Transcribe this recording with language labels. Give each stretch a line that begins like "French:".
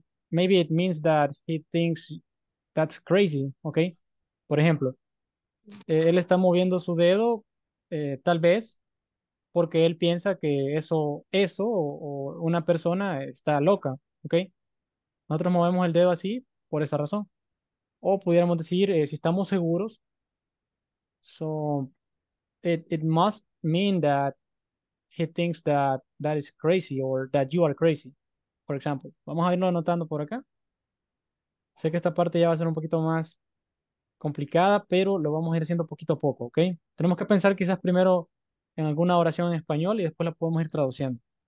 English: Maybe it means that he thinks that's crazy, ¿ok?
Spanish: Por ejemplo, él está moviendo su dedo, tal vez, porque él piensa que eso o una persona está loca, ¿ok? Nosotros movemos el dedo así por esa razón. O pudiéramos decir, si estamos seguros,
English: so it must mean that he thinks that is crazy or that you are crazy, for example.
Spanish: Vamos a irlo anotando por acá. Sé que esta parte ya va a ser un poquito más complicada, pero lo vamos a ir haciendo poquito a poco, ¿ok? Tenemos que pensar quizás primero en alguna oración en español y después la podemos ir traduciendo.